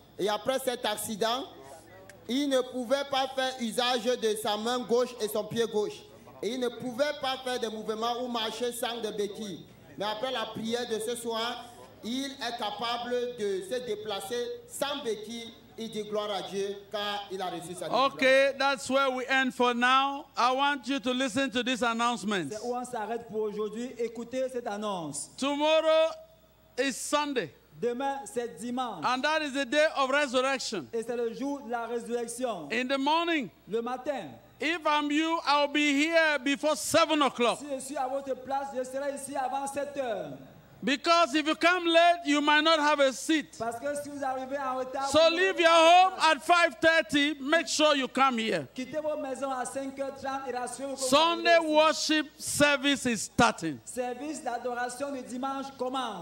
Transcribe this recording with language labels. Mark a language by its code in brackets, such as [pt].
[fr] Et après cet accident, il ne pouvait pas faire usage de sa main gauche et son pied gauche. Et il ne pouvait pas faire de mouvements ou marcher sans des béquilles. Mais après la prière de ce soir, il est capable de se déplacer sans béquilles. Il dit gloire à Dieu car il a reçu sa guérison. [en] Okay, that's where we end for now. I want you to listen to this announcement. [fr] C'est où on s'arrête pour aujourd'hui. Écoutez cette annonce. [en] Tomorrow is Sunday. [fr] Demain, c'est dimanche. [en] And that is the day of resurrection. [fr] Et c'est le jour de la résurrection. [en] In the morning. [fr] Le matin. [en] If I'm you, I'll be here before 7 o'clock. [fr] Si je suis à votre place, je serai ici avant 7 heures. [en] Because if you come late, you might not have a seat. [fr] Parce que si vous arrivez en retard, [en] so leave your home at 5:30, make sure you come here. [fr] Quittez vos maisons à 5:30 et rassurez-vous. [en] Sunday worship service is starting. [fr] Service d'adoration du dimanche commence.